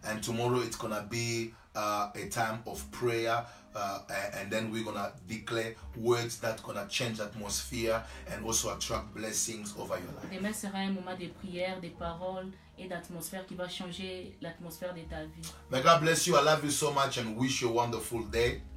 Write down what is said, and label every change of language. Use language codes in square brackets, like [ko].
[en] And tomorrow it's going to be a time of prayer. And then we're going to declare words that going to change atmosphere and also attract blessings over your life. [fr] Demain sera un moment de prière, de paroles et d'atmosphère qui va changer l'atmosphère de ta vie. [en] May God bless you. I love you so much and wish you a wonderful day.